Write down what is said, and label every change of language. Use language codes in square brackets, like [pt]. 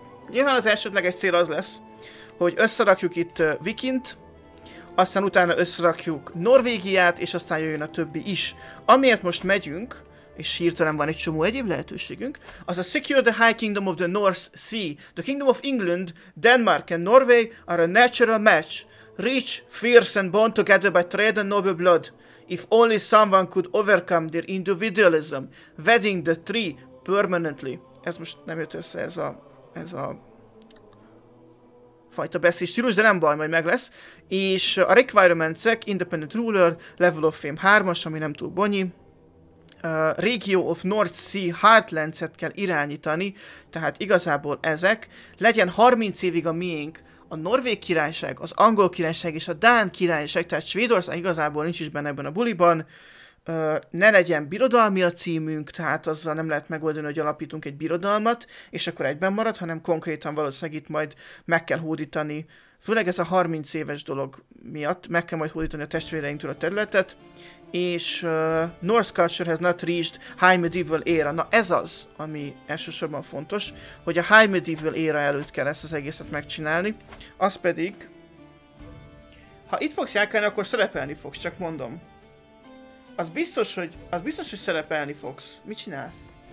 [hu] Nyilván az elsődleges cél az lesz, hogy összerakjuk itt Vikint, aztán utána összerakjuk Norvégiát, és aztán jöjjön a többi is. Amiért most megyünk, és hirtelen van egy csomó egyéb lehetőségünk, az a Secure the High Kingdom of the North Sea. [en] The Kingdom of England, Denmark and Norway are a natural match. Rich, fierce and bond together by trade and noble blood. If only someone could overcome their individualism, wedding the tree permanently. [hu] Ez most nem jött össze ez a fajta beszélés stílus, de nem baj, majd meg lesz. És a requirements-ek, [en] independent ruler, level of fame [hu] 3-as, ami nem túl bonyi. Regio of North Sea Heartlands-et kell irányítani, tehát igazából ezek. Legyen 30 évig a miénk a Norvég királyság, az Angol királyság és a Dán királyság, tehát Svédország igazából nincs is benne ebben a buliban. Ne legyen birodalmi a címünk, tehát azzal nem lehet megoldani, hogy alapítunk egy birodalmat, és akkor egyben marad, hanem konkrétan valószínűleg itt majd meg kell hódítani, főleg ez a 30 éves dolog miatt, meg kell majd hódítani a testvéreinktől a területet. [en] És Norse culture has not reached High Medieval era. [hu] Na ez az, ami elsősorban fontos, hogy a High Medieval era előtt kell ezt az egészet megcsinálni. Az pedig, ha itt fogsz járkálni, akkor szerepelni fogsz, csak mondom. Az biztos, hogy szerepelni fogsz. Mit csinálsz?